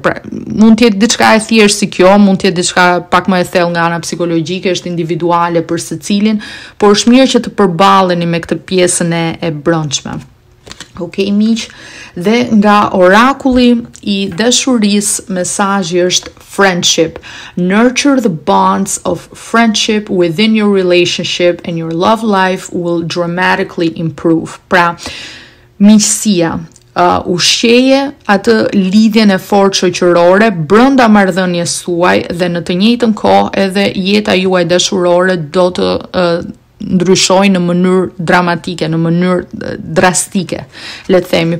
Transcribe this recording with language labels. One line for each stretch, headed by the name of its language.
Albanian: Pra, mund të jetë diçka e thjeshtë si kjo, mund të jetë diçka pak më e thellë nga ana psikologjike, është individuale për secilin, por është mirë që të përballeni me këtë pjesën e brendshme. Okay, miq, dhe nga orakulli i dashurisë mesazhi është friendship.
English: Nurture the bonds of friendship within your relationship and your love life will dramatically improve.
Albanian: Pra, miqësia, ushqeje atë lidhjen e fortë shoqërore brenda marrëdhënies suaj, dhe në të njëjtën kohë edhe jeta juaj dashurore do të ndryshojnë në mënyrë dramatike, në mënyrë drastike, le të themi.